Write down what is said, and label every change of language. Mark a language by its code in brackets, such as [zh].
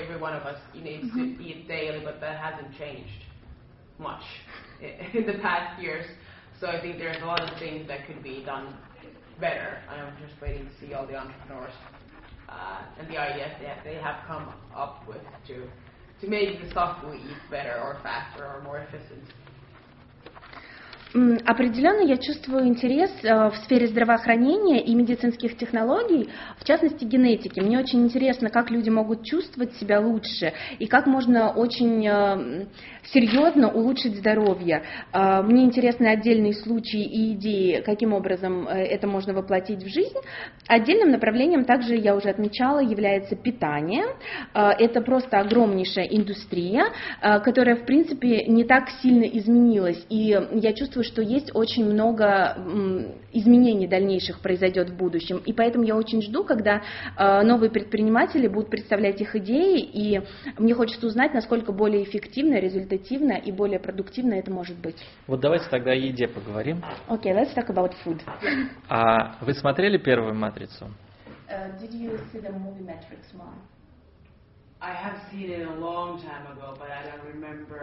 [en] Every one of us needs to eat daily, but that hasn't changed much in the past years. So I think there's a lot of things that could be done better. I'm just waiting to see all the entrepreneurs and the ideas they have come up with to make the stuff we eat better or faster or more efficient. [ru] Определенно я чувствую интерес в сфере здравоохранения и медицинских технологий, в частности генетики. Мне очень интересно, как люди могут чувствовать себя лучше и как можно очень серьезно улучшить здоровье. Мне интересны отдельные случаи и идеи, каким образом это можно воплотить в жизнь. Отдельным направлением, также я уже отмечала, является питание. Это просто огромнейшая индустрия, которая, в принципе, не так сильно изменилась. И я чувствую, что есть очень много изменений дальнейших произойдет в будущем. И поэтому я очень жду, когда новые предприниматели будут представлять их идеи, и мне хочется узнать, насколько более эффективно, результативно и более продуктивно это может быть. Вот давайте тогда о еде поговорим. [en] Okay, let's talk about food. [ru] А вы смотрели первую «Матрицу»? [en] Did you see the movie Matrix, Mom? I have seen it a long time ago, but I don't remember